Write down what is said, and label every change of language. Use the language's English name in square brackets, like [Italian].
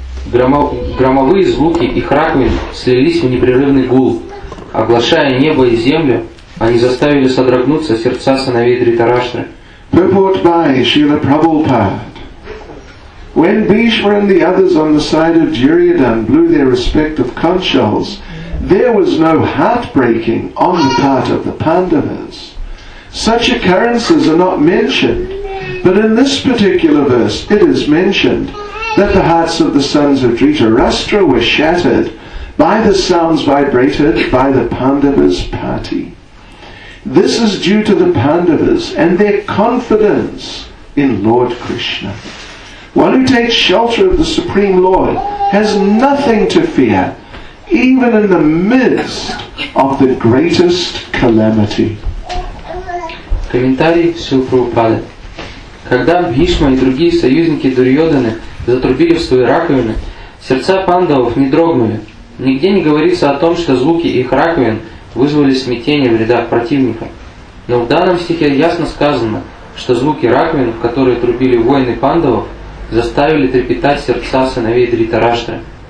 [Russian] Громовые звуки их раковин слились в непрерывный гул. оглашая небо и землю, они заставили содрогнуться сердца сыновей Дхритараштры. [English] Purport by Srila Prabhupada. When Bhishma and the others on the side of Duryodhana blew their respective conch shells, there was no heartbreaking on the part of the Pandavas. Such occurrences are not mentioned, but in this particular verse it is mentioned that the hearts of the sons of Dhritarashtra were shattered by the sounds vibrated by the Pandavas' party. This is due to the Pandavas and their confidence in Lord Krishna. One who takes shelter of the Supreme Lord has nothing to fear, even in the midst of the greatest calamity. [Russian] Комментарий Шрилы Прабхупады. Когда Бхишма и другие союзники Дурьодханы затрубили в свои раковины, сердца пандавов не дрогнули. Нигде не говорится о том, что звуки их раковин вызвали смятение в рядах противника. Но в данном стихе ясно сказано, что звуки раковин, в которые трубили воины пандавов, заставили трепетать сердца сыновей Дхритарашты.